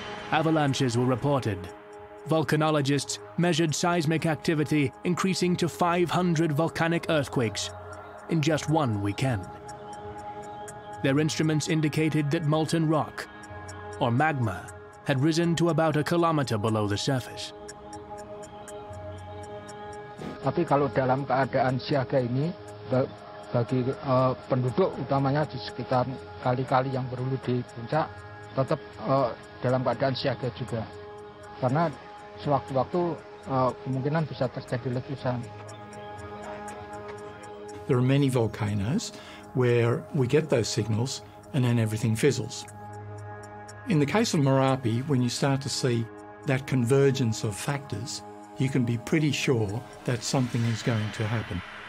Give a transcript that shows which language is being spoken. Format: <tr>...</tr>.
<en>Avalanches were reported. Volcanologists measured seismic activity increasing to 500 volcanic earthquakes in just one weekend. Their instruments indicated that molten rock, or magma, had risen to about a kilometer below the surface.</en> <id>Tapi kalau dalam keadaan siaga ini, bagi penduduk utamanya di sekitar kali-kali yang berhulu di puncak, tetap dalam keadaan siaga juga, karena sewaktu-waktu kemungkinan bisa terjadi letusan.</id> <en>There are many volcanoes where we get those signals and then everything fizzles. In the case of Merapi, when you start to see that convergence of factors, you can be pretty sure that something is going to happen.</en>